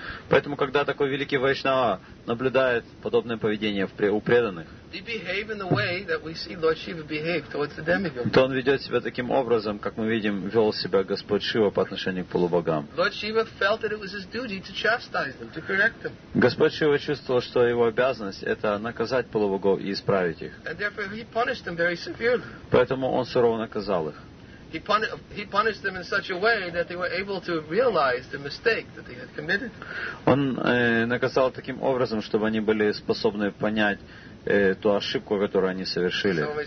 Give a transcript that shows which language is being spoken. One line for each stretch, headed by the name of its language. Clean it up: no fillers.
Russian: Поэтому, когда такой великий вайшнава наблюдает подобное поведение у преданных, то он ведет себя таким образом, как мы видим, вел себя Господь Шива по отношению к полубогам. Господь Шива чувствовал, что его обязанность — это наказать полубогов и исправить их. Поэтому он сурово наказал их.
English: He punished them in such a way that they were able to realize the mistake that they had committed.
Russian: Он наказал таким образом, чтобы они были способны понять ту ошибку, которую они совершили.